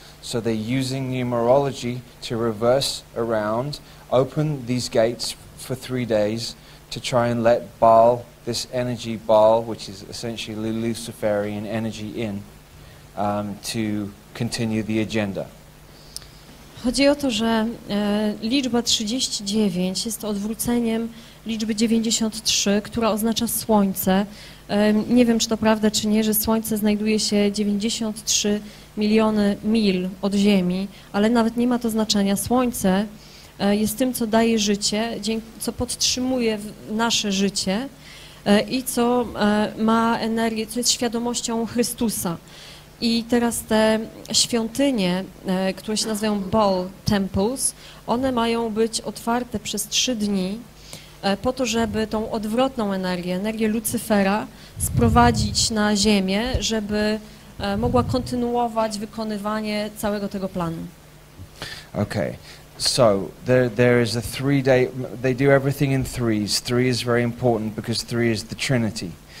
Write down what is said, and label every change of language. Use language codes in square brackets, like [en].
[en] So they're using numerology to reverse around, open these gates for 3 days to try and let Baal, this energy Baal, which is essentially Luciferian energy, in to continue the agenda. [pl] Chodzi o to, że liczba 39 jest odwróceniem liczby 93, która oznacza słońce. Nie wiem, czy to prawda, czy nie, że słońce znajduje się 93 miliony mil od Ziemi, ale nawet nie ma to znaczenia. Słońce jest tym, co daje życie, co podtrzymuje nasze życie i co ma energię, co jest świadomością Chrystusa. I teraz te świątynie, które się nazywają Baal Temples, one mają być otwarte przez 3 dni po to, żeby tą odwrotną energię, energię Lucyfera, sprowadzić na Ziemię, żeby mogła kontynuować wykonywanie całego tego planu. [en] Okay. So there is a 3 day, they do everything in threes. Three is very important because three is the Trinity.